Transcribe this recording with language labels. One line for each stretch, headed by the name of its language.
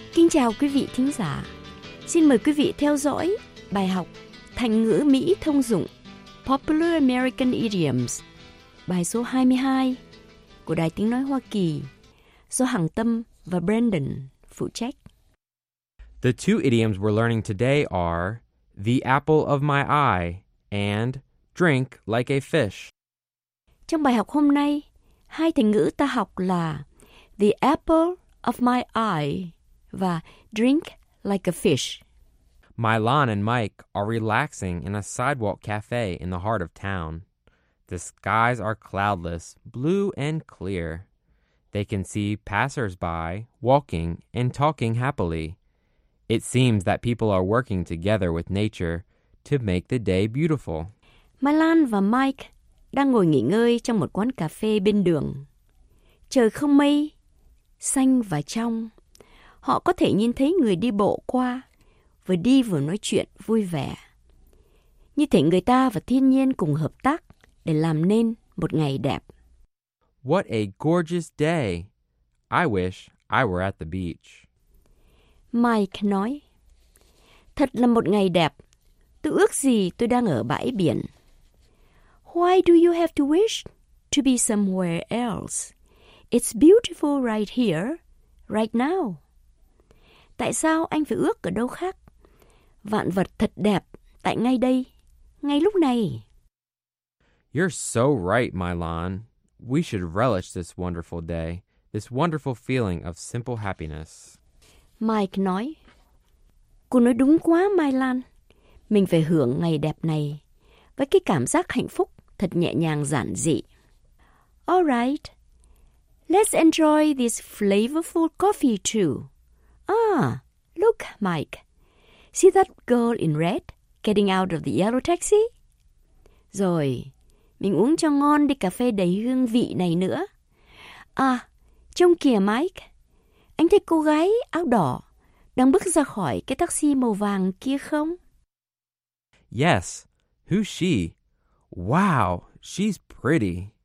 Vietnamese: Chào quý vị thính giả. Xin mời quý vị theo dõi bài học Thành ngữ Mỹ thông dụng
English: Popular American Idioms,
Vietnamese: bài số 22 của Đài Tiếng Nói Hoa Kỳ do Hằng Tâm và Brandon phụ trách.
English: The two idioms we're learning today are the apple of my eye and drink like a fish.
Vietnamese: Trong bài học hôm nay, hai thành ngữ ta học là
English: the apple of my eye
Vietnamese: và
English: drink like a fish. Milan and Mike are relaxing in a sidewalk cafe in the heart of town. The skies are cloudless, blue and clear. They can see passersby walking and talking happily. It seems that people are working together with nature to make the day beautiful.
Vietnamese: Milan và Mike đang ngồi nghỉ ngơi trong một quán cà phê bên đường. Trời không mây, xanh và trong. Họ có thể nhìn thấy người đi bộ qua, vừa đi vừa nói chuyện vui vẻ. Như thể người ta và thiên nhiên cùng hợp tác để làm nên một ngày đẹp.
English: What a gorgeous day! I wish I were at the beach.
Vietnamese: Mike nói, thật là một ngày đẹp. Tôi ước gì tôi đang ở bãi biển.
English: Why do you have to wish to be somewhere else? It's beautiful right here, right now.
Vietnamese: Tại sao anh phải ước ở đâu khác? Vạn vật thật đẹp tại ngay đây, ngay lúc này.
English: You're so right, Milan. We should relish this wonderful day, this wonderful feeling of simple happiness.
Vietnamese: Mike nói, cô nói đúng quá, Milan. Mình phải hưởng ngày đẹp này với cái cảm giác hạnh phúc thật nhẹ nhàng giản dị.
English: All right, let's enjoy this flavorful coffee too. Ah, look, Mike. See that girl in red getting out of the yellow taxi?
Vietnamese: Rồi, mình uống cho ngon đi cà phê đầy hương vị này nữa. À, trông kìa, Mike. Anh thấy cô gái áo đỏ đang bước ra khỏi cái taxi màu vàng kia không?
English: Yes, who's she? Wow, she's pretty.